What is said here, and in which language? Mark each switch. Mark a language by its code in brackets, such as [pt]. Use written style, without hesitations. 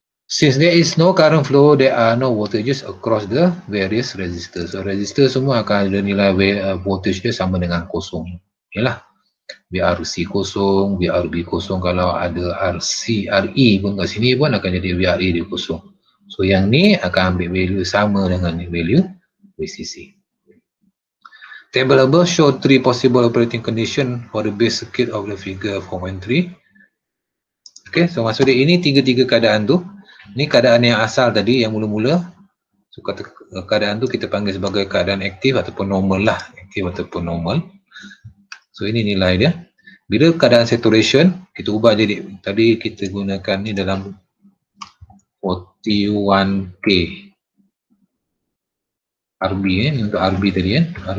[en] Since there is no current flow, there are no voltages across the various resistors. [ms] So resistor semua akan ada nilai voltage dia sama dengan kosong. Yalah. VRC kosong, VRB kosong, kalau ada RC, RE pun kat sini pun akan jadi VRE dia kosong. So yang ni akan ambil value sama dengan value VCC. [en] Table above show three possible operating condition for the base circuit of the figure 4.3. [ms] Okay, so maksudnya ini tiga-tiga keadaan tu. Ni keadaan yang asal tadi yang mula-mula. So keadaan tu kita panggil sebagai keadaan aktif ataupun normal lah. Aktif ataupun normal. So ini nilai dia. Bila keadaan saturation, kita ubah jadi, tadi kita gunakan ni dalam 41K RB ni, eh, untuk RB tadi kan, eh.